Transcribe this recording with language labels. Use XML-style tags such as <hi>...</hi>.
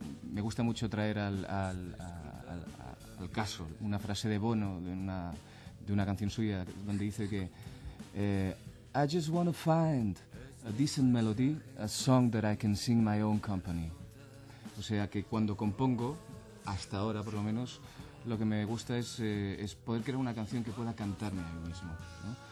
<es>me gusta mucho traer al caso una frase de Bono de una canción suya donde dice que...</es> <en>I just wanna find... A decent melody, a song that I can sing my own company.</en> <es>O sea que cuando compongo, hasta ahora por lo menos, lo que me gusta es poder crear una canción que pueda cantarme a mí mismo, ¿no?</es>